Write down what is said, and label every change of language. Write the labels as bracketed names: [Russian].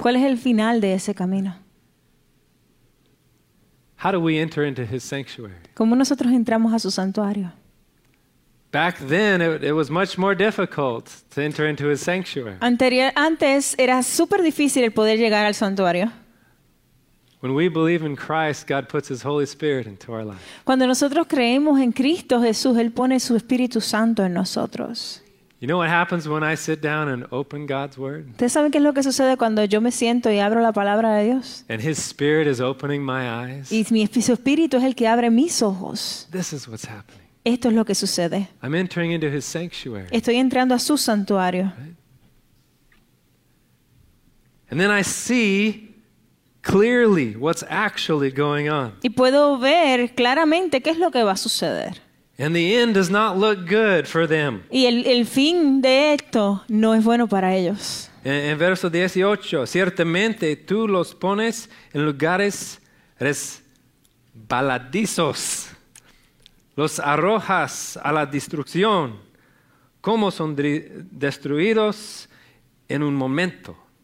[Spanish] ¿Cuál es el final de ese camino? [English] How do we enter into his sanctuary? [Spanish] ¿Cómo nosotros entramos a su santuario? [English] Back then, it was much more difficult to enter into his sanctuary. [Spanish] Antes era súper difícil el poder llegar al santuario. [English] When we believe in Christ, God puts his Holy Spirit into our life. [Spanish] Cuando nosotros creemos en Cristo Jesús, él pone su Espíritu Santo en nosotros. [English] You know what happens when I sit down and open God's word? [Spanish] ¿Ustedes saben qué es lo que sucede cuando yo me siento y abro la palabra de Dios? [English] And his Spirit is opening my eyes. [Spanish] Y su Espíritu es el que abre mis ojos. [English] This is what's happening. [Spanish] Esto es lo que sucede. [English] I'm entering into his sanctuary. [Spanish] Estoy entrando a su santuario. [English] And then I see clearly what's actually going on. [Spanish] Y puedo ver claramente qué es lo que va a suceder. [English] And the end does not look good for them. [Spanish] Y el fin de esto no es bueno para ellos. En verso 18, ciertamente tú los pones en lugares resbaladizos. Los arrojas a la destrucción, como son destruidos en un momento.